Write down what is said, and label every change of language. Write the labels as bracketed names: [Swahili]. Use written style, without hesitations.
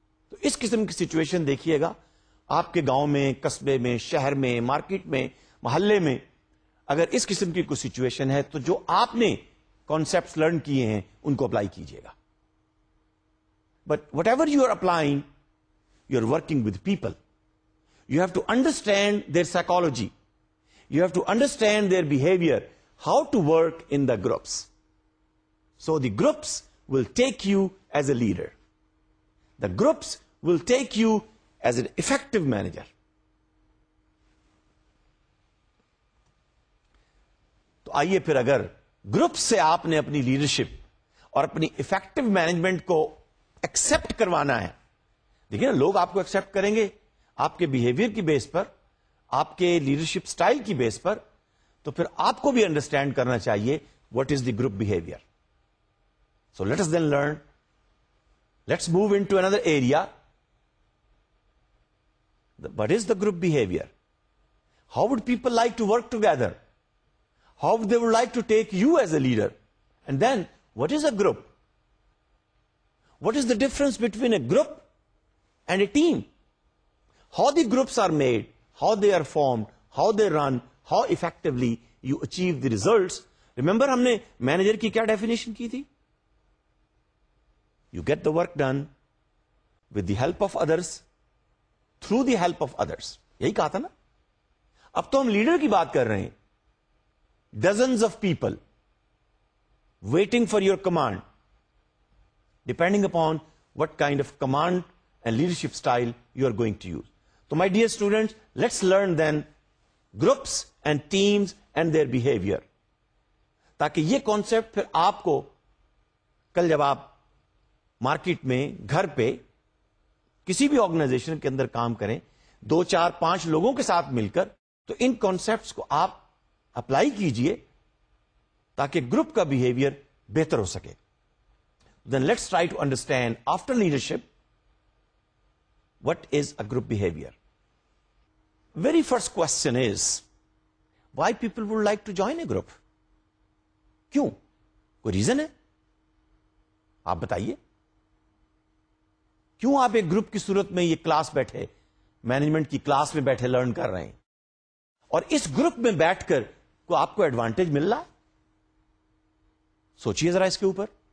[Urdu] تو اس قسم کی سچویشن دیکھیے گا آپ کے گاؤں میں, قصبے میں, شہر میں, مارکیٹ میں, محلے میں, اگر اس قسم کی کوئی سچویشن ہے تو جو آپ نے کانسیپٹس لرن کیے ہیں ان کو اپلائی کیجیے گا. [English] But whatever you are applying, you are working with people, you have to understand their psychology, you have to understand their behaviour, how to work in the groups. So the groups will take you as a leader. The groups will take you as an effective manager. [Urdu] تو آئیے پھر اگر groups سے آپ نے اپنی leadership اور اپنی افیکٹو مینجمنٹ کو ایکسپٹ کروانا ہے. دیکھیں لوگ آپ کو ایکسپٹ کریں گے آپ کے بیہیویئر کی بیس پر, آپ کے لیڈرشپ اسٹائل کی بیس پر. تو پھر آپ کو بھی انڈرسٹینڈ کرنا چاہیے [English] What is the group behaviour. So let us then learn, let's move into another area. What is the group behavior? How would people like to work together? How they would like to take you as a leader? And then, what is a group? What is the difference between a group and a team? How the groups are made, how they are formed, how they run, how effectively you achieve the results. Remember, [Urdu] humne manager ki kya definition ki thi? [English] You get the work done with the help of others, through the help of others. [Urdu] یہی کہا تھا نا. اب تو ہم leader کی بات کر رہے ہیں. [English] Dozens of people waiting for your command, depending upon what kind of command and leadership style you are going to use. So my dear students, let's learn then groups and teams and their behavior. [Urdu] تاکہ یہ concept پھر آپ کو کل جب آپ market میں, گھر پہ, کسی بھی آرگنائزیشن کے اندر کام کریں, دو چار پانچ لوگوں کے ساتھ مل کر, تو ان کانسیپٹس کو آپ اپلائی کیجئے تاکہ گروپ کا بیہیویئر بہتر ہو سکے. [English] Then let's try to understand after leadership what is a group behaviour. very first question is, why people would like to join a group? [Urdu] کیوں؟ کوئی reason ہے؟ آپ بتائیے. کیوں آپ ایک گروپ کی صورت میں یہ کلاس بیٹھے, مینجمنٹ کی کلاس میں بیٹھے لرن کر رہے ہیں, اور اس گروپ میں بیٹھ کر کوئی آپ کو ایڈوانٹیج مل رہا ہے؟ سوچیے ذرا اس کے اوپر.